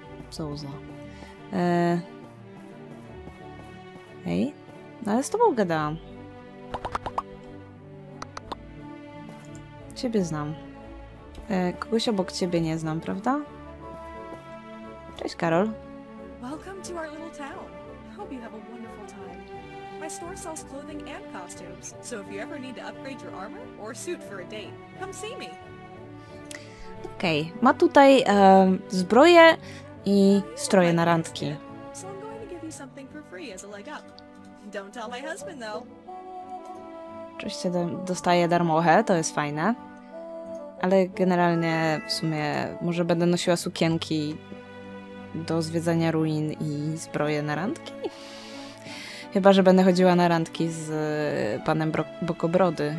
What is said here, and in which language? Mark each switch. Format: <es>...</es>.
<pl>Co za... Hej? No ale z tobą gadałam. Ciebie znam. Kogoś obok ciebie nie znam, prawda? Cześć, Karol.</pl> <en>Welcome to our little town. Hope you have a wonderful time. My store sells clothing and costumes, so if you ever need to upgrade your armor or suit for a date, come see me.</en> <pl>Okej, ma tutaj zbroję i stroje na randki.</pl> <en>So I'm going to give you something for free as a leg up. Don't tell my husband, though.</en> <pl>Oczywiście dostaję darmochę, to jest fajne. Ale generalnie w sumie może będę nosiła sukienki do zwiedzania ruin i zbroję na randki. Chyba, że będę chodziła na randki z panem Bokobrody.</pl>